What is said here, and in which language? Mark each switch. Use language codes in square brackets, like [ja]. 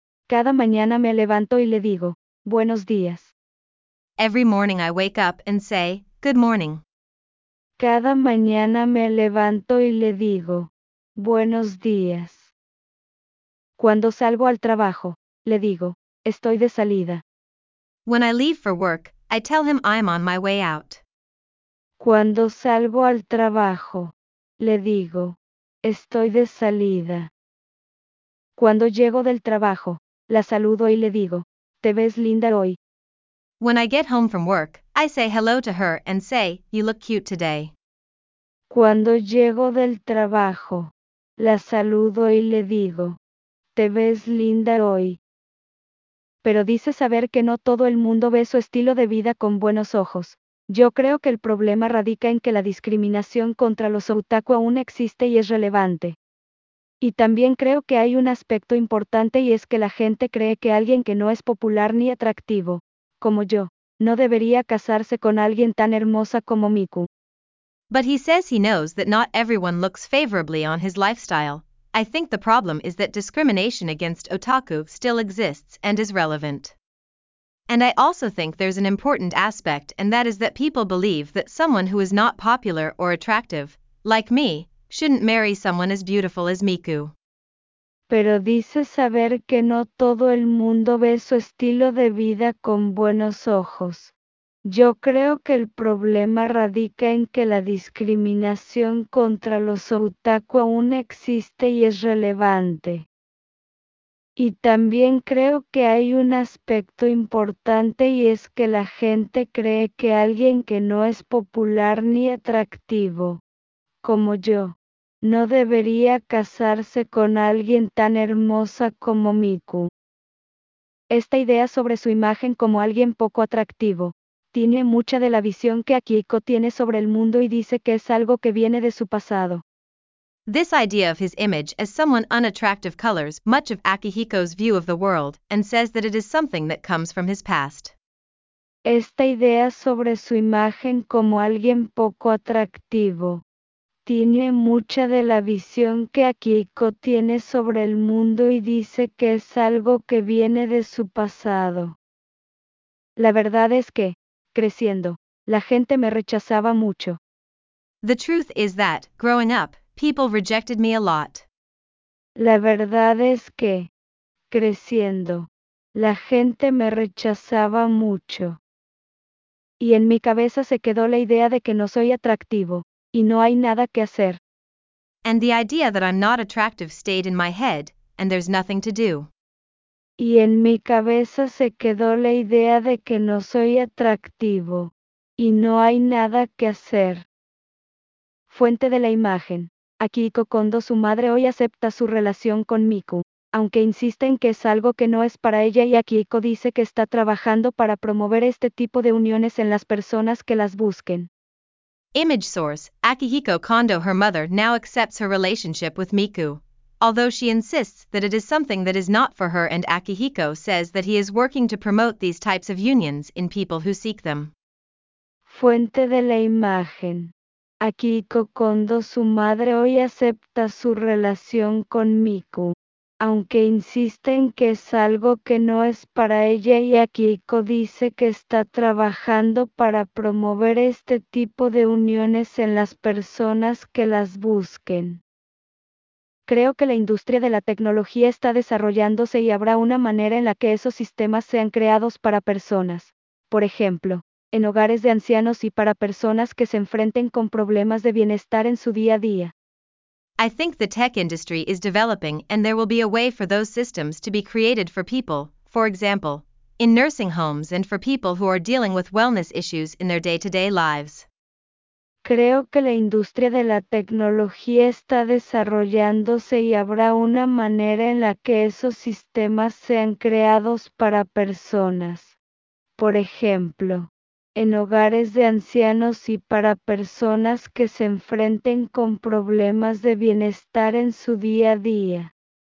[es] Cada mañana me levanto y le digo, buenos días. [en] Every morning I wake up and say, good morning. [es] Cada mañana me levanto y le digo, buenos días. Cuando salgo al trabajo, le digo, estoy de salida. [en] When I leave for work, I tell him I'm on my way out. [es] Cuando salgo al trabajo, le digo, estoy de salida. Cuando llego del trabajo, la saludo y le digo, te ves linda hoy. [en] When I get home from work, I say hello to her and say, you look cute today. [es] Cuando llego del trabajo, la saludo y le digo, te ves linda hoy. Pero dice saber que no todo el mundo ve su estilo de vida con buenos ojos. Yo creo que el problema radica en que la discriminación contra los otaku aún existe y es relevante. Y también creo que hay un aspecto importante y es que la gente cree que alguien que no es popular ni atractivo, como yo, no debería casarse con alguien tan hermosa como Miku. [en] But he says he knows that not everyone looks favorably on his lifestyle. I think the problem is that discrimination against otaku still exists and is relevant. And I also think there's an important aspect, and that is that people believe that someone who is not popular or attractive, like me, shouldn't marry someone as beautiful as Miku. [es] Pero dice saber que no todo el mundo ve su estilo de vida con buenos ojos. Yo creo que el problema radica en que la discriminación contra los otaku aún existe y es relevante. Y también creo que hay un aspecto importante y es que la gente cree que alguien que no es popular ni atractivo, como yo, no debería casarse con alguien tan hermosa como Miku. Esta idea sobre su imagen como alguien poco atractivo tiene mucha de la visión que Akihiko tiene sobre el mundo y dice que es algo que viene de su pasado. [en] This idea of his image as someone unattractive colors much of Akihiko's view of the world and says that it is something that comes from his past. [es] Esta idea sobre su imagen como alguien poco atractivo tiene mucha de la visión que Akihiko tiene sobre el mundo y dice que es algo que viene de su pasado. La verdad es que, creciendo, la gente me rechazaba mucho. [en] The truth is that, growing up, people rejected me a lot. [es] La verdad es que, creciendo, La gente me rechazaba mucho. Y en mi cabeza se quedó la idea de que no soy atractivo, y no hay nada que hacer. [en] And the idea that I'm not attractive stayed in my head, and there's nothing to do. [es] Y en mi cabeza se quedó la idea de que no soy atractivo, y no hay nada que hacer. Fuente de la imagen. Akihiko Kondo, su madre hoy acepta su relación con Miku, aunque insiste en que es algo que no es para ella y Akihiko dice que está trabajando para promover este tipo de uniones en las personas que las busquen. [en] Image source, Akihiko Kondo. Her mother now accepts her relationship with Miku, although she insists that it is something that is not for her, and Akihiko says that he is working to promote these types of unions in people who seek them. [es] Fuente de la imagen. Akihiko Kondo, su madre hoy acepta su relación con Miku, aunque insiste en que es algo que no es para ella y Akiko dice que está trabajando para promover este tipo de uniones en las personas que las busquen. Creo que la industria de la tecnología está desarrollándose y habrá una manera en la que esos sistemas sean creados para personas, por ejemplo, en hogares de ancianos y para personas que se enfrenten con problemas de bienestar en su día a día. [en] I think the tech industry is developing and there will be a way for those systems to be created for people, for example, in nursing homes and for people who are dealing with wellness issues in their day-to-day lives. [es] Creo que la industria de la tecnología está desarrollándose y habrá una manera en la que esos sistemas sean creados para personas. Por ejemplo, en hogares de ancianos y para personas que se enfrenten con problemas de bienestar en su día a día.